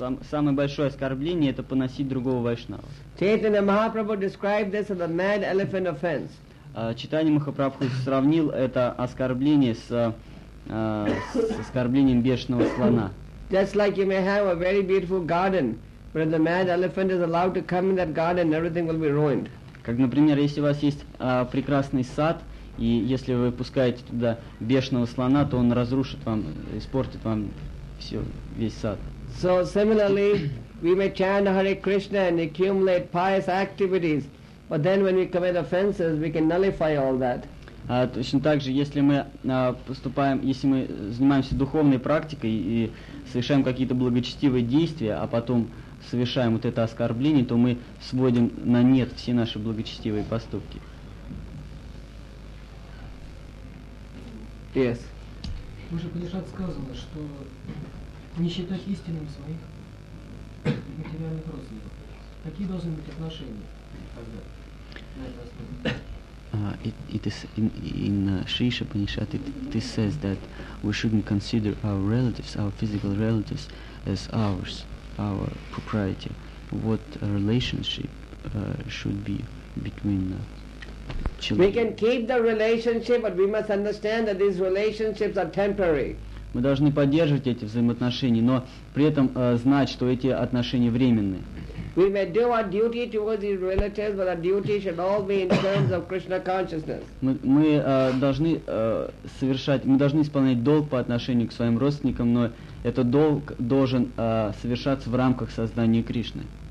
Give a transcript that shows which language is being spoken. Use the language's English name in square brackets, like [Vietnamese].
[Russian] Самое большое оскорбление – это поносить другого Вайшнава. [English] Chaitanya Mahaprabhu described this as a mad elephant offense. [Russian] Chaitanya Mahaprabhu сравнил это оскорбление с с оскорблением бешеного слона. [English] Just like you may have a very beautiful garden, but if the mad elephant is allowed to come in that garden, everything will be ruined. [Russian] Как, например, если у вас есть прекрасный сад, и если вы пускаете туда бешеного слона, то он разрушит вам, испортит вам все, весь сад. [English] So similarly, we may chant Hare Krishna and accumulate pious activities, but then when we commit offenses, we can nullify all that. [Russian] Точно так же, если мы занимаемся духовной практикой и совершаем какие-то благочестивые действия, а потом совершаем вот это оскорбление, то мы сводим на нет все наши благочестивые поступки. [English] Yes. [Russian] Уже Панишат сказано, что не считать истинным своих материальных родственников. Какие должны быть отношения тогда? [English] It is in Shrisha Upanishad, it says that we shouldn't consider our relatives, our physical relatives, as ours, our propriety. What relationship should be between children? We can keep the relationship, but we must understand that these relationships are temporary. [Russian] Мы должны поддерживать эти взаимоотношения, но при этом знать, что эти отношения временные. [English] We may do our duty towards these relatives, but our duty should all be in terms of Krishna consciousness. [Russian] Мы должны исполнять долг по отношению к своим родственникам, но этот долг должен совершаться в рамках сознания Кришны.